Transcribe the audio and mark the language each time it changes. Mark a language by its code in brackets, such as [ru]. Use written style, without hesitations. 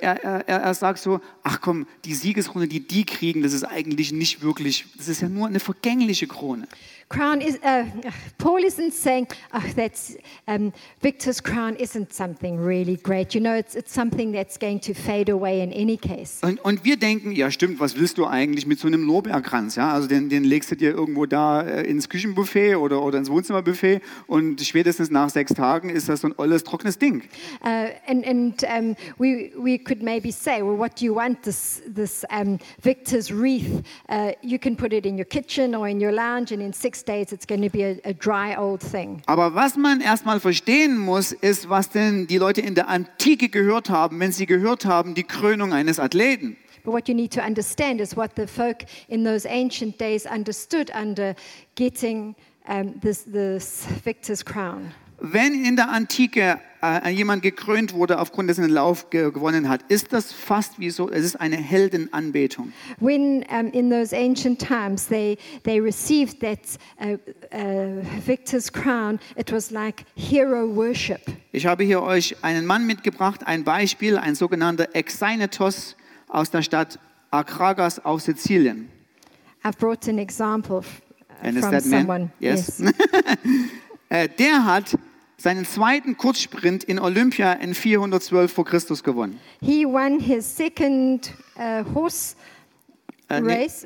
[de] Er sagt so, ach komm, die Siegeskrone, die kriegen, das ist eigentlich nicht wirklich, das ist ja nur eine vergängliche Krone. [en] Crown is, Paul isn't saying, oh, that's Victor's crown isn't something really great. You know, it's something that's going to fade away in any case. [de] Und wir denken, ja stimmt, was willst du eigentlich mit so einem Lorbeerkranz? Ja? Also den legst du dir irgendwo da ins Küchenbuffet oder ins Wohnzimmerbuffet und spätestens nach 6 Tagen ist das so ein olles, trockenes Ding. [en] We could maybe say, well, what do you want, this Victor's wreath? You can put it in your kitchen or in your lounge and in 6 days it's going to be a dry old thing. [de] Aber was man erstmal verstehen muss, ist, was denn die Leute in der Antike gehört haben, wenn sie gehört haben, die Krönung eines Athleten. [en] But what you need to understand is what the folk in those ancient days understood under getting this victor's crown. [de] Wenn in der Antike jemand gekrönt wurde aufgrund dessen Lauf gewonnen hat, ist das fast wie so, es ist eine Heldenanbetung. [en] When in those ancient times they received that victor's crown, it was like hero worship. [de] Ich habe hier euch einen Mann mitgebracht, ein Beispiel, ein sogenannter Exinetos aus der Stadt Akragas auf Sizilien. [en] I've brought an example from someone. Yes. [de] Der hat seinen zweiten Kurzsprint in Olympia in 412 vor Christus gewonnen. [en] He won his second horse race.